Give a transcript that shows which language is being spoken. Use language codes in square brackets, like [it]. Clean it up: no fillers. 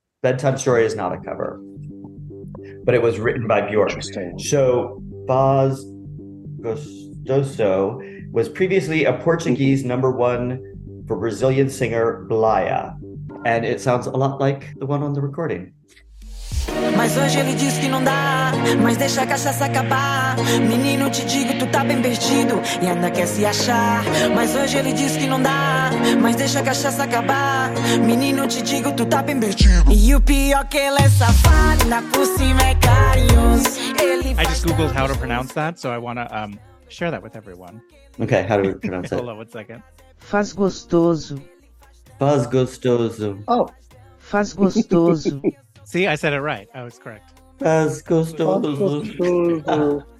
[en] Bedtime Story is not a cover. But it was written by Bjork. So Faz Gostoso was previously a Portuguese number one for Brazilian singer Blaya. And it sounds a lot like the one on the recording. [pt] Mas hoje ele diz que não dá, mas deixa a cachaça acabar. Menino, te digo, tu tá bem perdido e ainda quer se achar. Mas hoje ele diz que não dá, mas deixa a cachaça acabar. Menino, te digo, tu tá bem perdido. E o pior que ele é safado, por cima é carinhoso. [en] I just googled how to pronounce that, so I want to share that with everyone. Okay, how do we pronounce it? Hold on one second. [pt] Faz gostoso. Faz gostoso. Oh. Faz gostoso. [en] See, I said it right. I was correct. [pt] Faz gostoso.